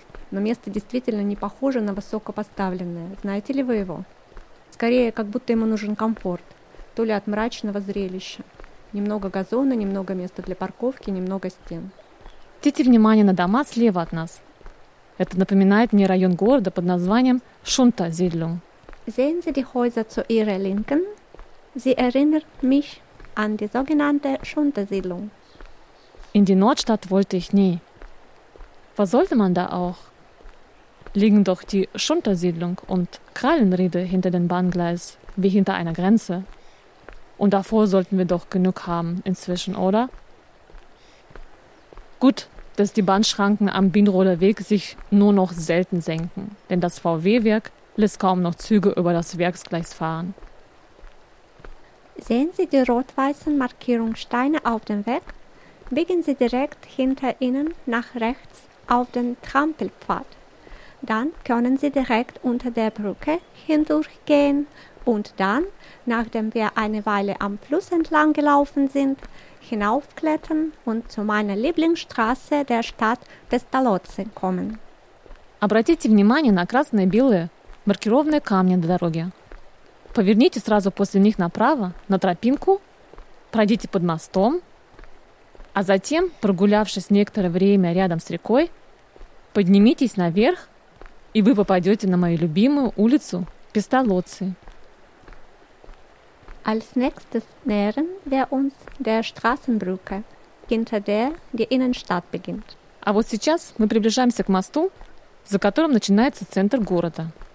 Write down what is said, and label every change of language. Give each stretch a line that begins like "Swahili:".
Russian: Но место действительно не похоже на высокопоставленное. Знаете ли вы его? Скорее, как будто ему нужен комфорт, то ли от мрачного зрелища. Немного газона, немного места для парковки, немного стен. Обратите внимание на дома слева от нас. Это напоминает мне район города под названием Шунтерсиедлунг.
German: Sehen Sie die Häuser zu Ihrer Linken? Sie erinnern mich an die sogenannte Schuntersiedlung. In die Nordstadt wollte ich nie. Was sollte man da auch? Liegen doch die Schuntersiedlung und Krallenriede hinter dem Bahngleis, wie hinter einer Grenze. Und davor sollten wir doch genug haben inzwischen, oder? Gut, dass die Bahnschranken am Binroder Weg sich nur noch selten senken, denn das VW-Werk lässt kaum noch Züge über das Werksgleis fahren. Sehen Sie die rot-weißen Markierungssteine auf dem Weg? Biegen Sie direkt hinter Ihnen nach rechts auf den Trampelpfad. Dann können Sie direkt unter der Brücke hindurchgehen. Und dann, nachdem wir eine Weile am Fluss entlang gelaufen sind, hinaufklettern und zu meiner Lieblingsstraße der Stadt Pestalozzi kommen.
Russian: Обратите внимание на красно-белые маркированные камни на дороге. Поверните сразу после них направо на тропинку, пройдите под мостом, а затем, прогулявшись некоторое время рядом с рекой, поднимитесь наверх, и вы попадете на мою любимую улицу Пестолоци.
German: Als nächstes nähern wir uns der Straßenbrücke, hinter der die Innenstadt beginnt.
Russian: А вот сейчас мы приближаемся к мосту, за которым начинается центр города.